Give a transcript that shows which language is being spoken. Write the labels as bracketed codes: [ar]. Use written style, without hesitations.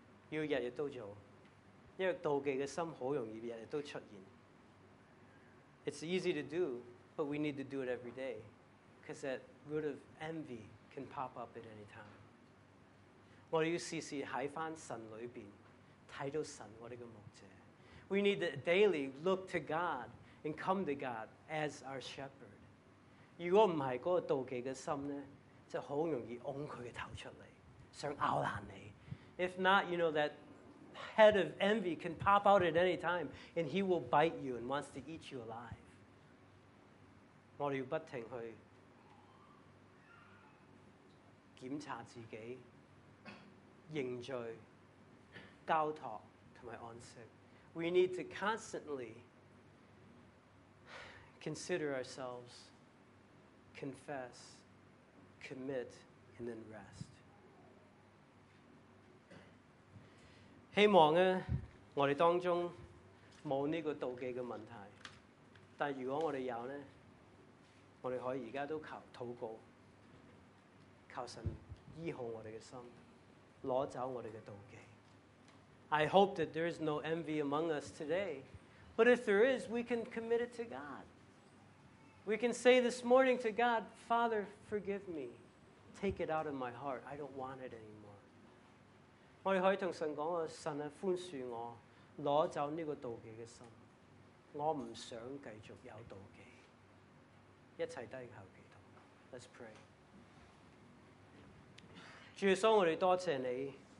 [yue] 要日日都做，因為妒忌嘅心好容易日日都出現。 [en] It's easy to do, but we need to do it every day. Because that root of envy can pop up at any time. [yue] 我哋要時時喺翻神裏邊睇到神，我哋嘅牧者。 [en] We need to daily look to God and come to God as our shepherd. [yue] 如果唔係嗰個妒忌嘅心咧，就好容易擁佢嘅頭出嚟，想咬爛你。 [en] If not, you know that head of envy can pop out at any time, and he will bite you and wants to eat you alive. [yue] 我哋要不停去檢查自己、認罪、交託同埋安息。 [en] We need to constantly consider ourselves. Confess, commit, and then rest. [yue] 希望我哋当中冇呢个妒忌嘅问题，但如果我哋有咧，我哋可以而家都求祷告，求神医好我哋嘅心，攞走我哋嘅妒忌。 [en] I hope that there is no envy among us today, but if there is, we can commit it to God. We can say this morning to God, Father, forgive me. Take it out of my heart. I don't want it anymore. [yue] 我哋可以同神讲啊，神啊，宽恕我，攞走呢个妒忌嘅心。我唔想继续有妒忌。一齐低头祈祷。 [en] Let's pray. [yue] 主耶稣，我哋多谢你，